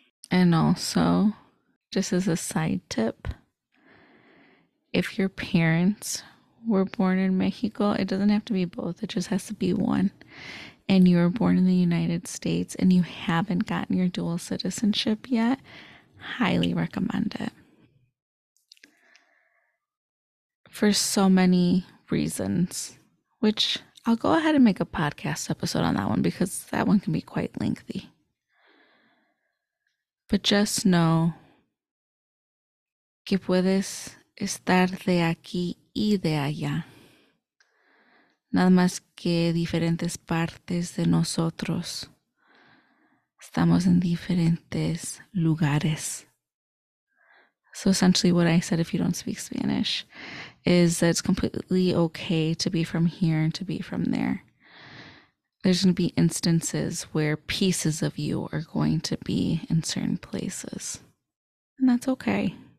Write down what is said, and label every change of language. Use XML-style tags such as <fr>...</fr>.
<en>And also, just as a side tip, if your parents were born in Mexico, it doesn't have to be both, it just has to be one, and you were born in the United States and you haven't gotten your dual citizenship yet, highly recommend it. For so many reasons, which I'll go ahead and make a podcast episode on that one because that one can be quite lengthy. But just know,</en> <es>que puedes estar de aquí y de allá. Nada más que diferentes partes de nosotros. Estamos en diferentes lugares.</es> <en>So essentially what I said, if you don't speak Spanish, is that it's completely okay to be from here and to be from there. There's going to be instances where pieces of you are going to be in certain places. And that's okay.</en>